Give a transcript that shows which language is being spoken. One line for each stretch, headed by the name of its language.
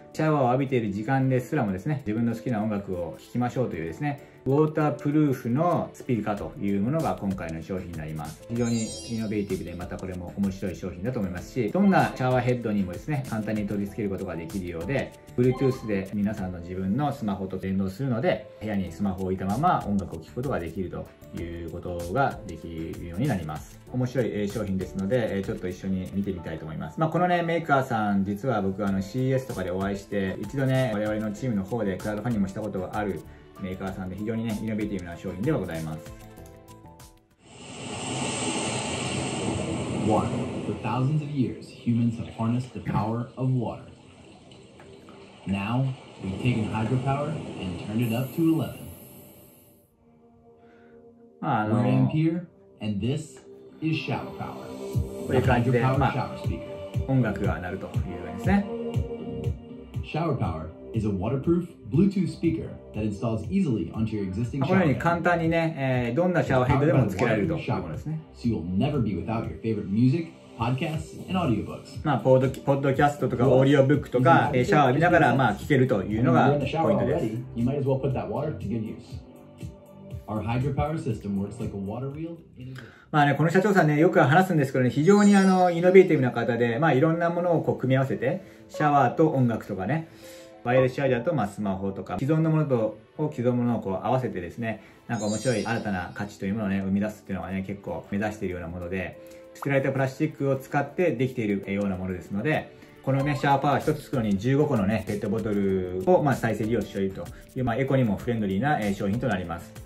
Japanese: シャワーを浴びている時間ですらもですね、自分の好きな音楽を聴きましょうというですね、ウォータープルーフのスピーカーというものが今回の商品になります。非常にイノベーティブで、またこれも面白い商品だと思いますし、どんなシャワーヘッドにもですね、簡単に取り付けることができるようで、 Bluetooth で皆さんの自分のスマホと連動するので、部屋にスマホを置いたまま音楽を聴くことができるということができるようになります。面白い商品ですので、ちょっと一緒に見てみたいと思います。このねメーカーさん、実は僕CES とかでお会いして、一度ね我々のチームの方でクラウドファンディングもしたことがあるメーカーさんで、非常にねイノベーティブな商品ではございます。
English: Water. For thousands of years, humans have harnessed the power of water. Now, we've taken hydropower and turned it up to 11. We're Ampere, and this is shower power.
Japanese: こういう感じで、音楽が鳴るという感じですね。
English: Shower power is a waterproof Bluetooth speakerThat installs easily onto your existing
Japanese: このように簡単にね、どんなシャワーヘッドでもつけられるということですね。
English: So you'll never be without your favorite music, podcasts, and audiobooks.
Japanese: ポッドキャストとかオーディオブックとか、シャワー浴びながら聞けるというのがポイントです。
English: You might as well put that water to good use. Our hydropower system works like a water wheel.
Japanese: この社長さんね、よく話すんですけどね、非常にイノベーティブな方で、いろんなものをこう組み合わせて、シャワーと音楽とかね、ワイヤレスチャージャーとスマホとか、既存のものと既存のものをこう合わせてですね、なんか面白い新たな価値というものをね生み出すっていうのがね、結構目指しているようなもので、作られたプラスチックを使ってできているようなものですので、このねシャワーパワー1つ作るのに15個のねペットボトルを再生利用しているという、エコにもフレンドリーな商品となります。